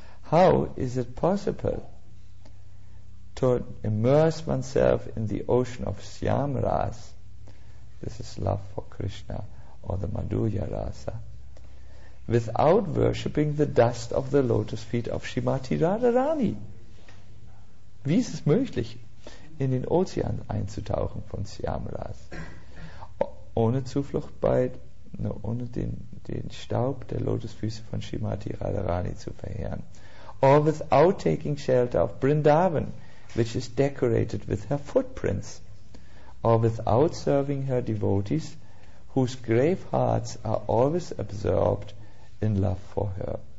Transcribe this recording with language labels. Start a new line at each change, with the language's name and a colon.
English: How is it possible to immerse oneself in the ocean of Syamras? This is love for Krishna or the Madhurya Rasa, without worshipping the dust of the lotus feet of Srimati Radharani.
German: Wie ist es möglich, in den Ozean einzutauchen von Syamras, ohne Zuflucht bei, ohne den Staub der Lotusfüße von Srimati Radharani zu verheeren?
English: Or without taking shelter of Vrindavan, which is decorated with her footprints? Or without serving her devotees, whose grave hearts are always absorbed in love for her?